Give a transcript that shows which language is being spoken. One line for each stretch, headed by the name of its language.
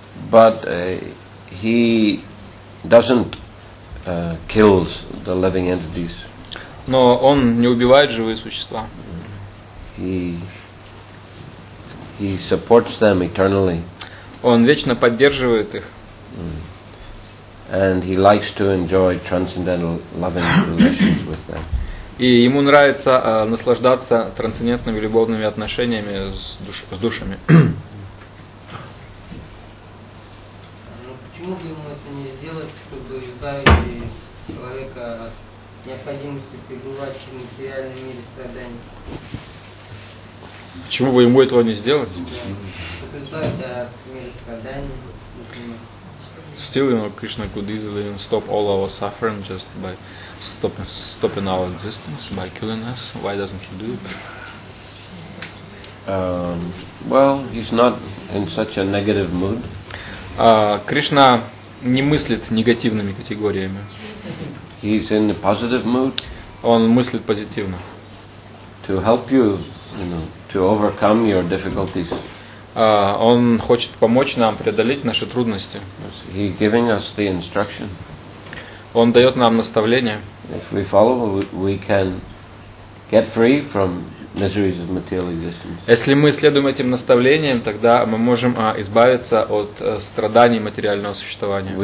English: But he doesn't kills the living entities.
Russian: Но он не убивает живые существа.
English: He supports them eternally.
Russian: Он вечно поддерживает их.
English: And he likes to enjoy transcendental loving relations with them.
Russian: И ему нравится наслаждаться трансцендентными любовными отношениями с душами. Но почему бы ему это не сделать, чтобы избавить человека от необходимости пребывать в материальном мире страданий? Почему бы ему этого не сделать? Чтобы избавить от мира страданий.
English: Still, you know, Krishna could easily stop all our suffering just by stopping our existence, by killing us. Why doesn't he do it? Well, he's not in such a negative mood.
Russian: Krishna не мыслит негативными категориями.
English: He's in a positive mood.
Russian: Он мыслит позитивно.
English: To help you, you know, to overcome your difficulties.
Russian: Он хочет помочь нам преодолеть наши трудности.
English: He giving us the instruction.
Russian: Он дает нам наставление.
English: If we follow, we can get free from miseries of material existence.
Russian: Если мы следуем этим наставлениям, тогда мы можем избавиться от страданий материального существования.